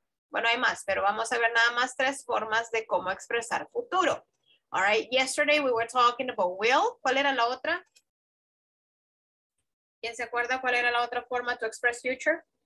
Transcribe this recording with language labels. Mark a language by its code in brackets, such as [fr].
[es] Bueno, hay más, pero vamos a ver nada más tres formas de cómo expresar futuro. [en] All right, yesterday we were talking about will. [es] ¿Cuál era la otra? ¿Quién se acuerda cuál era la otra forma [en] to express future?